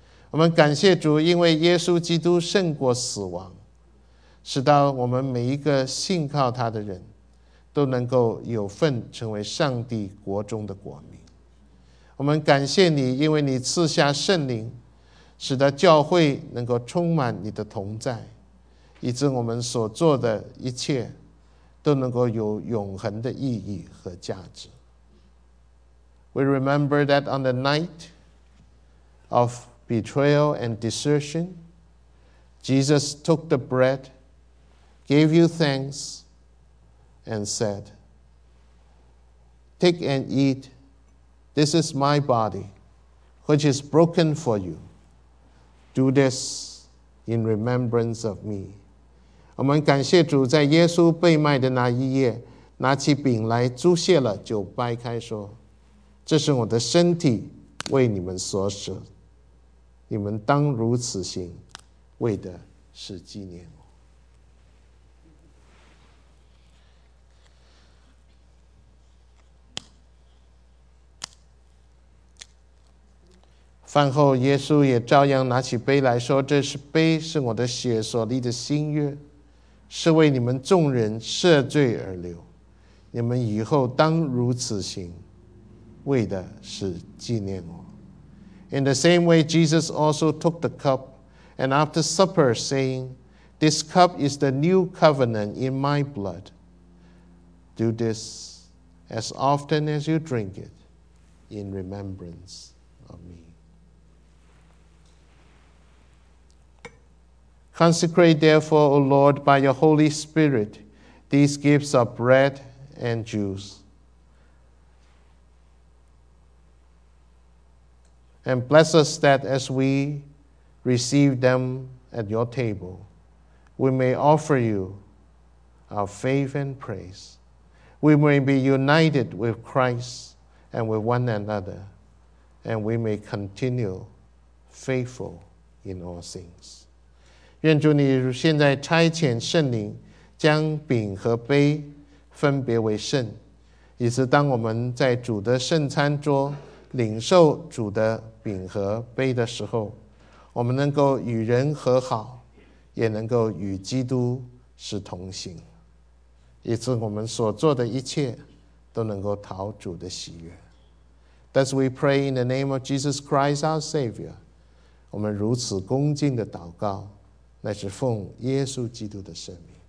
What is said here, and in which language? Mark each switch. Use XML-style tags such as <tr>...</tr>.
<zh>我们感谢主，因为耶稣基督胜过死亡，使到我们每一个信靠他的人都能够有份成为上帝国中的国民。我们感谢你，因为你赐下圣灵，使得教会能够充满你的同在，以致我们所做的一切都能够有永恒的意义和价值。</zh> <en>We remember that on the night of betrayal and desertion, Jesus took the bread, gave you thanks, and said, Take and eat, this is my body, which is broken for you. Do this in remembrance of me.</en> <zh>我们感谢主，在耶稣被卖的那一夜，拿起饼来，祝谢了，就掰开说：“这是我的身体，为你们所舍。你们当如此行，为的是纪念我。” 饭后，耶稣也照样拿起杯来说：“这是杯，是我的血所立的新约。” 是为你们众人赦罪而流，你们以后当如此行，为的是纪念我。</zh> <en>In the same way, Jesus also took the cup, and after supper, saying, This cup is the new covenant in my blood. Do this as often as you drink it, in remembrance of me. Consecrate therefore, O Lord, by your Holy Spirit, these gifts of bread and juice. And bless us that as we receive them at your table, we may offer you our faith and praise. We may be united with Christ and with one another, and we may continue faithful in all things.</en> <zh>愿主你现在差遣圣灵将饼和杯分别为圣，以致当我们在主的圣餐桌领受主的饼和杯的时候，我们能够与人和好，也能够与基督是同行，以致我们所做的一切都能够讨主的喜悦。</zh> <en>Thus we pray in the name of Jesus Christ, our Savior.</en> <zh>我们如此恭敬的祷告，乃是奉耶稣基督的圣名。</zh>